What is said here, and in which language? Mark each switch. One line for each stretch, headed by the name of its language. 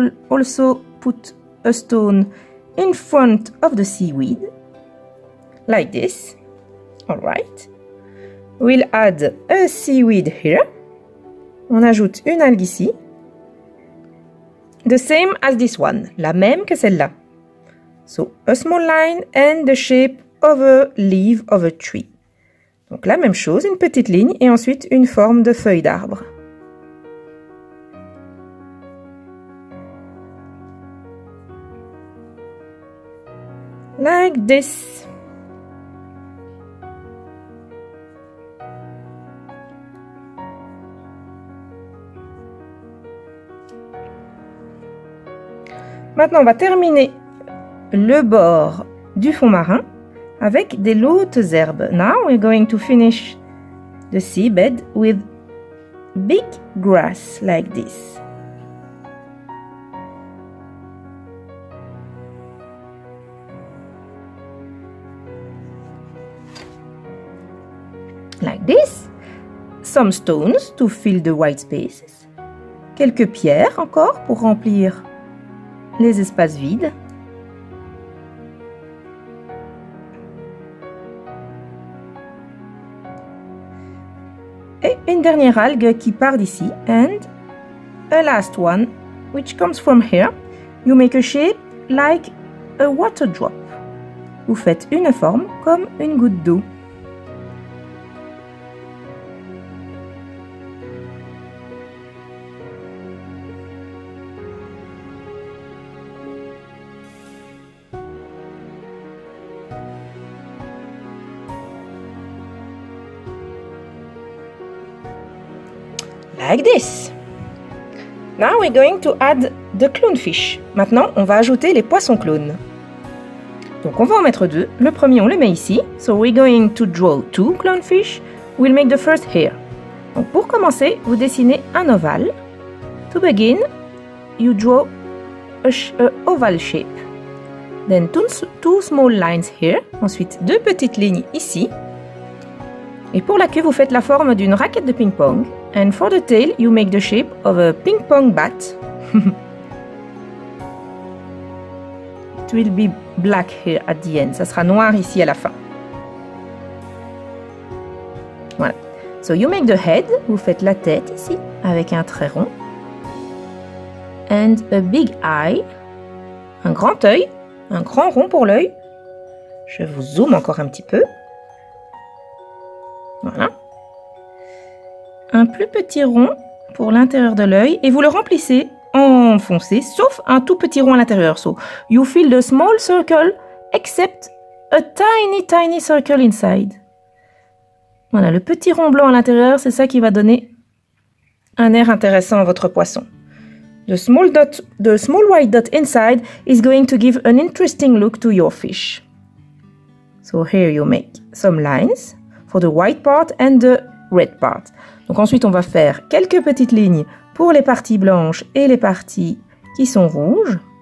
English: Also put a stone in front of the seaweed. Like this. All right. We'll add a seaweed here.
French: On ajoute une algue ici.
English: The same as this one.
French: La même que celle-là.
English: So, a small line and the shape of a leaf of a tree.
French: Donc la même chose, une petite ligne et ensuite une forme de feuille d'arbre.
English: Like this.
French: Maintenant, on va terminer le bord du fond marin avec des hautes herbes.
English: Now we're going to finish the seabed with big grass like this. Like this. Some stones to fill the white spaces.
French: Quelques pierres encore pour remplir les espaces vides. Dernière algue qui part d'ici,
English: and a last one which comes from here. You make a shape like a water drop.
French: Vous faites une forme comme une goutte d'eau.
English: Like this. Now we're going to add the clownfish.
French: Maintenant, on va ajouter les poissons clowns. Donc on va en mettre deux. Le premier, on le met ici.
English: So we're going to draw two clownfish. We'll make the first here.
French: Donc pour commencer, vous dessinez un ovale.
English: To begin, you draw an oval shape. Then two small lines here.
French: Ensuite, deux petites lignes ici. Et pour la queue, vous faites la forme d'une raquette de ping-pong.
English: And for the tail, you make the shape of a ping-pong bat. It will be black here at the end.
French: Ça sera noir ici à la fin.
English: Voilà. So you make the head.
French: Vous faites la tête ici avec un trait rond.
English: And a big eye.
French: Un grand œil. Un grand rond pour l'œil. Je vous zoome encore un petit peu. Voilà. Un plus petit rond pour l'intérieur de l'œil. Et vous le remplissez en foncé, sauf un tout petit rond à l'intérieur.
English: So, you fill the small circle, except a tiny, tiny circle inside.
French: Voilà, le petit rond blanc à l'intérieur, c'est ça qui va donner un air intéressant à votre poisson.
English: The small white dot inside is going to give an interesting look to your fish. So here you make some lines for the white part and the red part.
French: Donc ensuite, on va faire quelques petites lignes pour les parties blanches et les parties qui sont rouges.